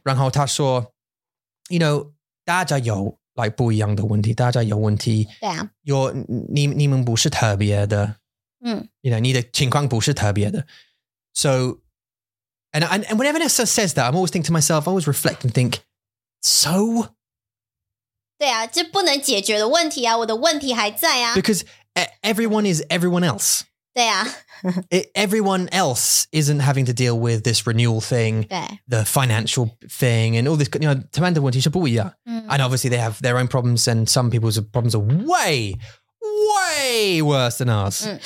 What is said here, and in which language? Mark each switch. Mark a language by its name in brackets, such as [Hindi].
[Chinese] 然后她说, you know, 大家有 like 不一样的问题，大家有问题。对啊。有你们不是特别的。嗯。 You know, 你的情况不是特别的。 [English] So, and whenever Nessa says that, I'm always thinking to myself, I always reflect and think, so. [Chinese] 对啊，这不能解决的问题啊，我的问题还在啊。 [English] Because everyone is everyone else. [Chinese] 对啊 [English] everyone else isn't having to deal with this renewal thing, the financial thing, and all this, you know, [Chinese] 他们的问题是不一样。 [English] And obviously they have their own problems, and some people's problems are way, way worse than ours.